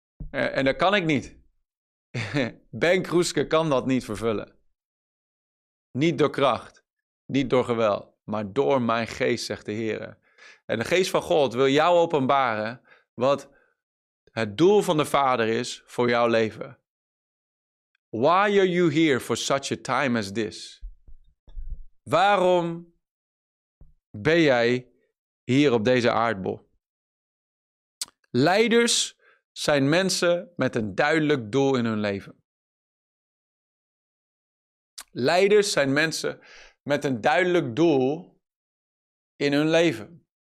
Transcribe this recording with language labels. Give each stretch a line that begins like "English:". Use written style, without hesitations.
Dutch: En dat kan ik niet. Ben Kroeske kan dat niet vervullen. Niet door kracht, niet door geweld, maar door mijn geest, zegt de Heer. En de geest van God wil jou openbaren wat het doel van de Vader is voor jouw leven.
English: Why are you here for such a time as this?
Dutch: Waarom ben jij hier op deze aardbol? Leiders zijn mensen met een duidelijk doel in hun leven. Leiders zijn mensen met een duidelijk doel in hun leven.